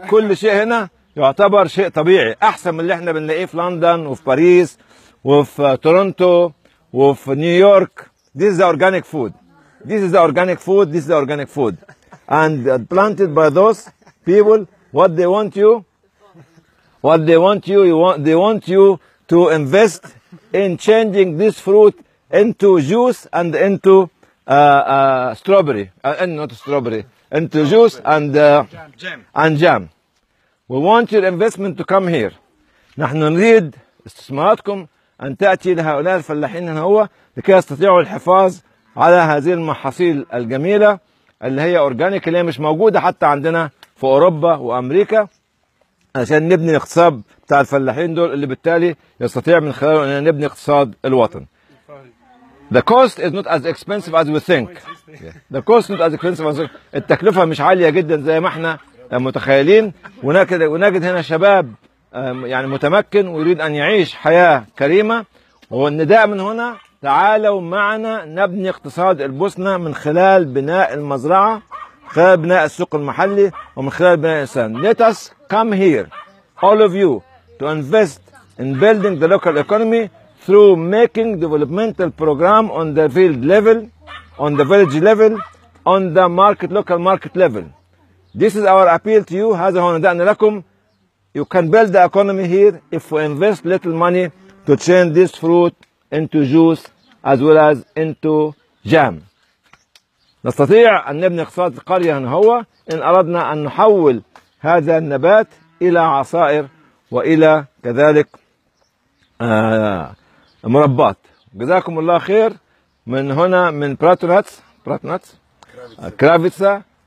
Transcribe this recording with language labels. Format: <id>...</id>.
<ar>كل شيء هنا يعتبر شيء طبيعي، أحسن من اللي احنا بنلاقيه في لندن وفي باريس وفي تورونتو وفي نيويورك.</ar> <en>This is the organic food. This is the organic food. This is the organic food. And planted by those people, what they want you, what they want you, you want, they want you to invest in changing this fruit into juice and into strawberry. Not strawberry. Into juice and jam. We want your investment to come here.</en> <ar>نحن نريد استثماراتكم أن تأتي لهؤلاء الفلاحين هنا هو لكي يستطيعوا الحفاظ على هذه المحاصيل الجميلة اللي هي أورجانيك اللي هي مش موجودة حتى عندنا في أوروبا وأمريكا، عشان نبني الاقتصاد بتاع الفلاحين دول اللي بالتالي يستطيع من خلاله أن نبني اقتصاد الوطن.</ar> <en>The cost is not as expensive as we think. The cost is not as expensive as we think.</en> <ar>التكلفة مش عالية جدا زي ما احنا متخيلين. ونجد هنا شباب يعني متمكن ويريد أن يعيش حياة كريمة، والنداء من هنا تعالوا معنا نبني اقتصاد البوسنة من خلال بناء المزرعة، خلال بناء السوق المحلي، ومن خلال بناء الإنسان.</ar> <en>Let us come here, all of you, to invest in building the local economy through making developmental program on the field level, on the village level, on the market, local market level. This is our appeal to you.</en> <ar>هذا هو نداءنا لكم.</ar> <en>You can build the economy here if we invest little money to change this fruit into juice as well as into jam.</en> <ar>نستطيع أن نبني اقتصاد القرية هنا هو إن أردنا أن نحول هذا النبات إلى عصائر وإلى كذلك مربات. جزاكم الله خير من هنا من براتوناتس. براتوناتس. كرافيتسا.</ar>